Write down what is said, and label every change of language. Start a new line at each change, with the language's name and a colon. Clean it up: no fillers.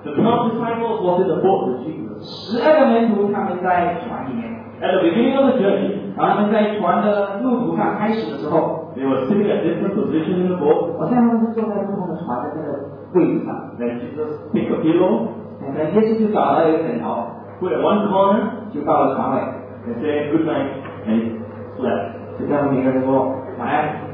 English: the 12 disciples was in the boat of Jesus.
Chinese: 12个门徒他们在船里面.
English: At the beginning of the journey,
Chinese: 他们在船的路途上开始的时候,
English: they were sitting at different positions in the boat.
Chinese: 我现在他们是坐在不同的船的这个位置上.
English: Then Jesus picked a pillow, and then
Chinese: 耶稣就找到一个枕头,
English: put at one corner,
Chinese: 就到了床尾,
English: and said good night, and slept.
Chinese: 就跟他们每个人说, 晚安.